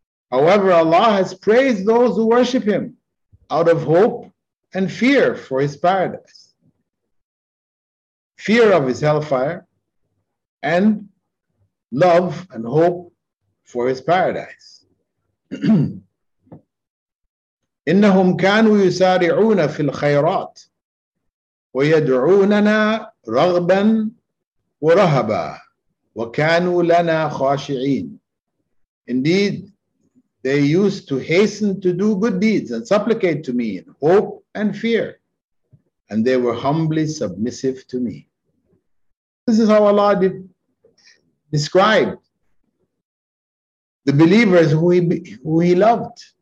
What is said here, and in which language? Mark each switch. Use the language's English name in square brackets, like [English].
[English] However, Allah has praised those who worship Him out of hope and fear for His paradise, fear of His hellfire, and love and hope for his paradise. [Arabic] إنهم كانوا يسارعون في الخيرات ويدعوننا رغبا ورهبا وكانوا لنا خاشعين. [English] Indeed, they used to hasten to do good deeds and supplicate to me in hope and fear, and they were humbly submissive to me. This is how Allah described the believers who he loved.